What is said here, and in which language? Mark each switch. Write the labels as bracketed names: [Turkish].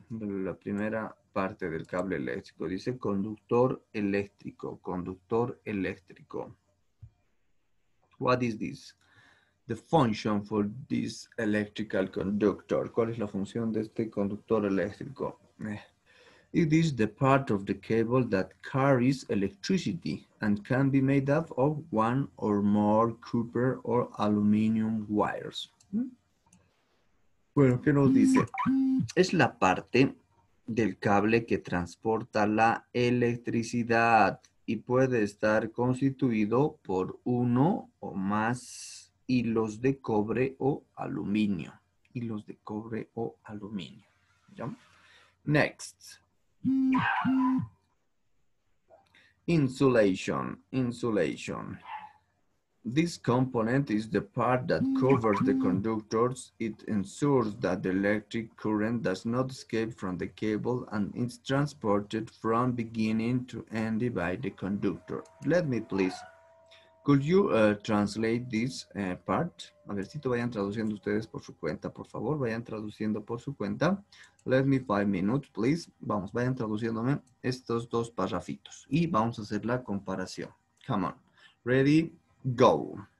[Spanish] La primera parte del cable eléctrico. Dice conductor eléctrico, conductor eléctrico. [English] What is this? The function for this electrical conductor. [Spanish] ¿Cuál es la función de este conductor eléctrico? [English] It is the part of the cable that carries electricity and can be made up of one or more copper or aluminum wires. [Spanish] Bueno, ¿qué nos dice? Es la parte del cable que transporta la electricidad y puede estar constituido por uno o más hilos de cobre o aluminio. Hilos de cobre o aluminio. ¿Ya? Next. [English] Insulation, insulation. This component is the part that covers the conductors. It ensures that the electric current does not escape from the cable and is transported from beginning to end by the conductor. Let me please. Could you translate this part? [Spanish] A ver si te vayan traduciendo ustedes por su cuenta, por favor, vayan traduciendo por su cuenta. [English] Let me 5 minutes, please. [Spanish] Vamos, vayan traduciéndome estos dos parrafitos y vamos a hacer la comparación. [English] Come on. Ready? Go.